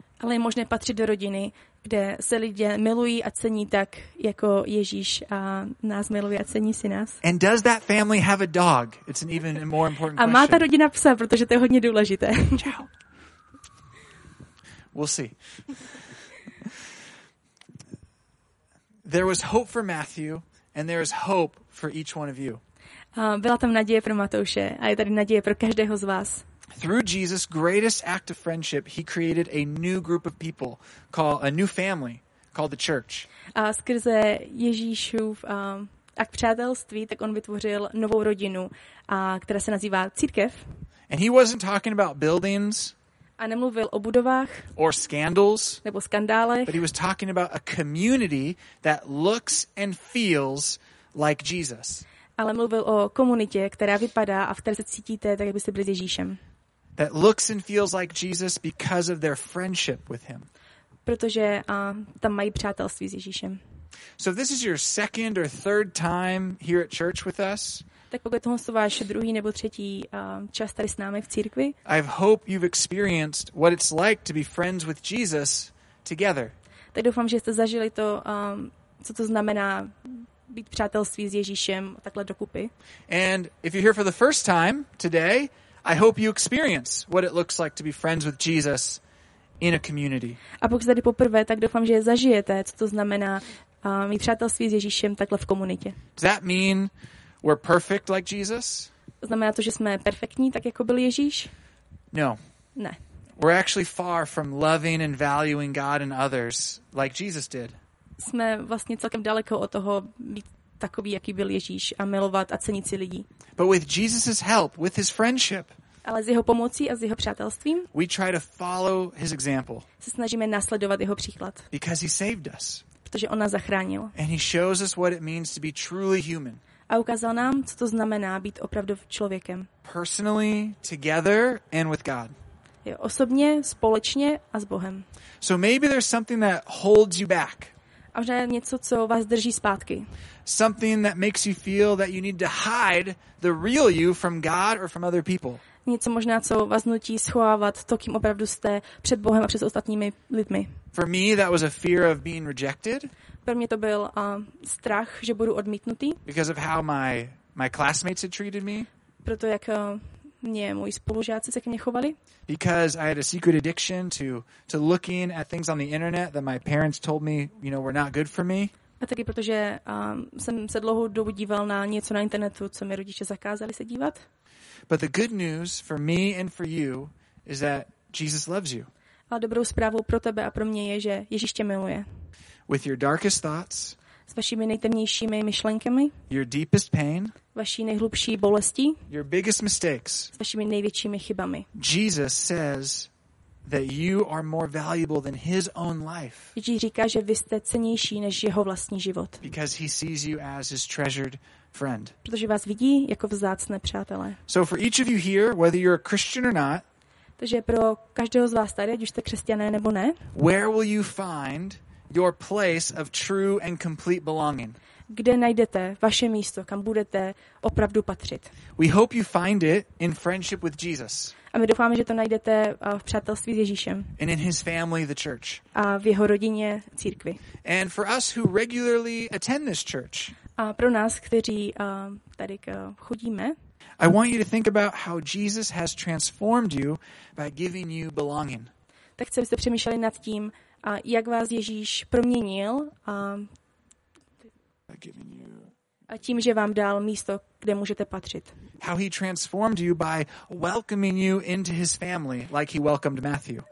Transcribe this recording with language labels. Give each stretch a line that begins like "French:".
Czech: Ale je možné patřit do rodiny, kde se lidé milují a cení tak, jako Ježíš a nás miluje a cení si nás?
English: And does that family have a dog? It's an even more important question.
Czech: A má ta rodina psa, protože to je hodně důležité.
Italian: Ciao.
English: We'll see. There was hope for Matthew and there is hope for each one of you.
Czech: Byla tam naděje pro Matouše a je tady naděje pro každého z vás.
English: Through Jesus' greatest act of friendship, he created a new group of people, a new family called the church.
Czech: A skrze Ježíšův akt přátelství, tak on vytvořil novou rodinu, která se nazývá církev.
English: And he wasn't talking about buildings.
Czech: A nemluvil o budovách,
English: or scandals,
Czech: nebo skandálech,
English: but he was talking about a community that looks and feels like Jesus.
Czech: Ale mluvil o komunitě, která vypadá a v které se cítíte, tak jak byste byli s Ježíšem.
English: That looks and feels like Jesus because of their friendship with him.
Czech: Protože tam mají přátelství s Ježíšem.
English: So this is your second or third time here at church with us.
Czech: Tak pokud tohle je váš druhý nebo třetí čas tady s námi v církvi.
English: I hope you've experienced what it's like to be friends with Jesus together.
Czech: Tak doufám, že jste zažili to, co to znamená být přátelství s Ježíšem takhle dokupy.
English: And if you're here for the first time today, I hope you experience what it looks like to be friends with Jesus in a community.
Czech: A pokud jste tady poprvé, tak doufám, že zažijete, co to znamená mít přátelství s Ježíšem takhle v komunitě.
English: Does that mean we're perfect like Jesus?
Czech: Znamená to, že jsme perfektní, tak jako byl Ježíš?
English: No.
Czech: Ne.
English: We're actually far from loving and valuing God and others like Jesus did.
Czech: Jsme vlastně celkem daleko od toho být takový, jaký byl Ježíš a milovat a cenit si lidi.
English: But with Jesus's help, with his friendship.
Czech: Ale s jeho pomocí a s jeho přátelstvím.
English: We try to follow his example.
Czech: Se snažíme následovat jeho příklad.
English: Because he saved us.
Czech: Protože on nás zachránil.
English: And he shows us what it means to be truly human.
Czech: A ukázal nám, co to znamená být opravdu člověkem.
English: Personally, together and with God.
Czech: Jo, osobně, společně a s Bohem.
English: So maybe there's something that holds you back.
Czech: A možná něco, co vás drží zpátky.
English: Something that makes you feel that you need to hide the real you from God or from other people.
Czech: Něco možná, co vás nutí schovávat to, kým opravdu jste před Bohem a před ostatními lidmi.
English: For me, that was a fear of being rejected.
Czech: Pro mě to byl strach, že budu odmítnutý.
English: Because of how my classmates had treated me.
Czech: Proto jak mě moji spolužáci se ke mně chovali.
English: Because I had a secret addiction to looking at things on the internet that my parents told me, you know, were not good for me.
Czech: A taky protože jsem se dlouhou dobu díval na něco na internetu, co mi rodiče zakázali se dívat.
English: But the good news for me and for you is that Jesus loves you.
Czech: A dobrou zprávou pro tebe a pro mě je, že Ježíš tě miluje.
English: With your darkest thoughts,
Czech: s vašimi nejtemnějšími myšlenkami,
English: your deepest pain,
Czech: vaší nejhlubší bolestí,
English: your biggest mistakes,
Czech: s vašimi největšími chybami.
English: Jesus says that you are more valuable than his own life.
Czech: Ježíš říká, že vy jste cennější než jeho vlastní život.
English: Because he sees you as his treasured friend.
Czech: Protože vás vidí jako vzácné přátelé.
English: So for each of you here, whether you're a Christian or not,
Czech: takže pro každého z vás tady, ať už jste křesťané nebo ne,
English: where will you find your place of true and complete belonging.
Czech: Kde najdete vaše místo, kam budete opravdu patřit.
English: We hope you find it in friendship with Jesus.
Czech: A my doufáme, že to najdete v přátelství s Ježíšem.
English: And in his family, the church.
Czech: A v jeho rodině, církvi.
English: And for us who regularly attend this church.
Czech: A pro nás, kteří tady chodíme.
English: I want you to think about how Jesus has transformed you by giving you belonging.
Czech: Tak chci, abyste přemýšleli nad tím, jak vás Ježíš proměnil a tím, že vám dal místo, kde můžete patřit.
English: How he transformed you by welcoming you into his family, like he welcomed Matthew.